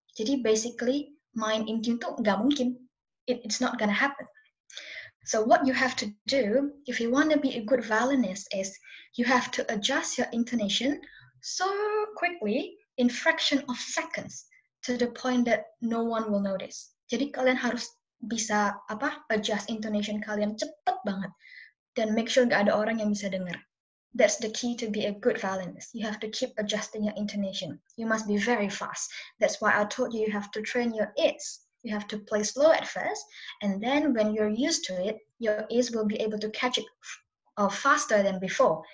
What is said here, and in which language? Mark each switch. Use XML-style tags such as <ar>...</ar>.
<id>Jadi basically, main in tune tuh gak mungkin.</id> <en>It's not gonna happen. So what you have to do, if you wanna be a good violinist, is you have to adjust your intonation so quickly, in fraction of seconds, to the point that no one will notice.</en> <id>Jadi kalian harus bisa adjust intonation kalian cepet banget. Dan make sure gak ada orang yang bisa dengar.</id> <en>That's the key to be a good violinist. You have to keep adjusting your intonation. You must be very fast. That's why I told you, you have to train your ears. You have to play slow at first. And then when you're used to it, your ears will be able to catch it faster than before.</en>